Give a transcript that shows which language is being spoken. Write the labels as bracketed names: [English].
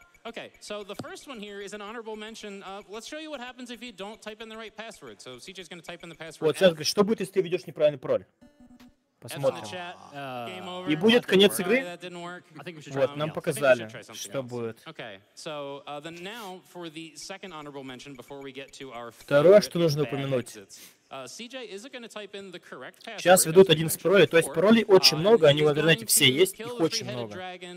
[English] Okay, so the first one here is an honorable mention. Let's show you what happens if you don't type in the right password. So CJ's going to type in the password. [Russian] Вот сейчас говорит, что будет, если ты ведешь неправильный пароль? Посмотрим. И будет конец игры? Вот, нам показали, что будет. [English] Okay, so then now for the second honorable mention before we get to our. [Russian] Второе, что нужно упомянуть. [English] CJ is going to type in the correct password. [Russian] Сейчас ведут один из паролей, то есть паролей очень много, они в интернете все есть, их очень много.